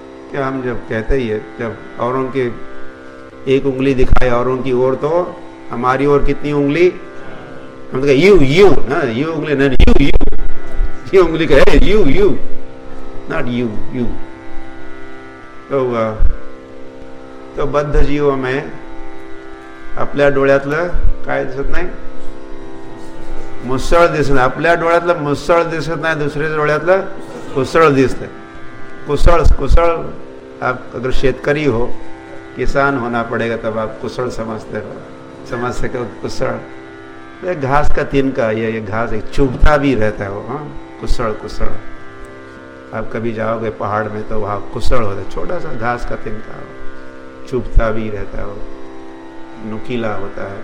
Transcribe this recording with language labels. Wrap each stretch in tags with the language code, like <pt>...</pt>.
<hi>क्या हम जब कहते ही है, जब औरों के एक उंगली दिखाई औरों की ओर, तो हमारी ओर कितनी उंगली, हम तो कहे यू ना, यू उंगली ना, यू ये उंगली कहे</hi> <en>You not you.</en> <hi>तो बद्ध जीवों में</hi> <mr>आपल्या डोळ्यातलं काय दिसत नाही, मुसळ दिसत नाही, आपल्या डोळ्यातलं मुसळ दिसत नाही, दुसऱ्याच्या डोळ्यातलं कुसळ दिसतंय।</mr> <hi>कुसळ आप अगर शेतकरी हो, किसान होना पड़ेगा तब आप कुसळ समझते हो, समझ सके कुसळ, घास का तिनका, ये घास एक चुभता भी रहता है वो, हाँ कुसळ। आप कभी जाओगे पहाड़ में तो वहाँ कुसळ होता है, छोटा सा घास का तिनका, चुभता भी रहता है, नुकीला होता है।</hi>